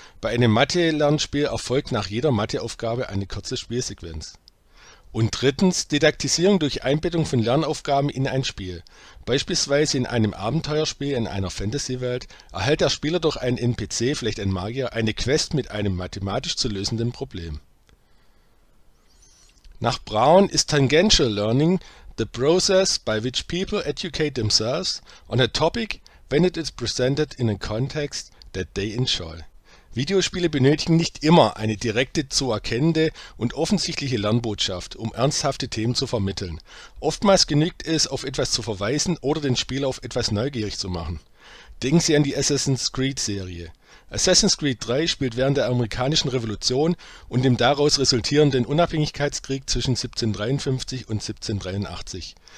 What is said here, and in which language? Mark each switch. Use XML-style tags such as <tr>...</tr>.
<de>Bei einem Mathe-Lernspiel erfolgt nach jeder Matheaufgabe eine kurze Spielsequenz. Und drittens, Didaktisierung durch Einbettung von Lernaufgaben in ein Spiel. Beispielsweise in einem Abenteuerspiel in einer Fantasy-Welt erhält der Spieler durch einen NPC, vielleicht ein Magier, eine Quest mit einem mathematisch zu lösenden Problem. Nach Brown ist</de> <en>Tangential Learning the process by which people educate themselves on a topic when it is presented in a context that they enjoy.</en> <de>Videospiele benötigen nicht immer eine direkte, zu erkennende und offensichtliche Lernbotschaft, um ernsthafte Themen zu vermitteln. Oftmals genügt es, auf etwas zu verweisen oder den Spieler auf etwas neugierig zu machen. Denken Sie an die Assassin's Creed-Serie. Assassin's Creed 3 spielt während der amerikanischen Revolution und dem daraus resultierenden Unabhängigkeitskrieg zwischen 1753 und 1783.</de>